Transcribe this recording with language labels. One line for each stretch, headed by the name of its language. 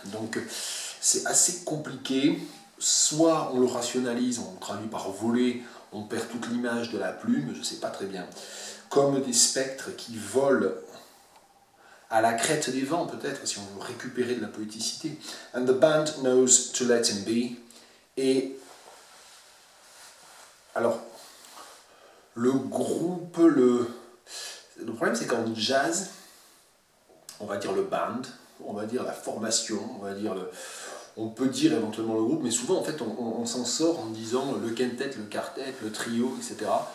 French: Donc, c'est assez compliqué. Soit on le rationalise, on le traduit par voler, on perd toute l'image de la plume, je ne sais pas très bien. Comme des spectres qui volent à la crête des vents, peut-être, si on veut récupérer de la poéticité.
English: And the band knows to let him be.
French: Et alors, le groupe, le problème, c'est qu'en jazz, on va dire le band, on va dire la formation, on va dire le... on peut dire éventuellement le groupe, mais souvent, en fait, on s'en sort en disant le quintet, le quartet, le trio, etc.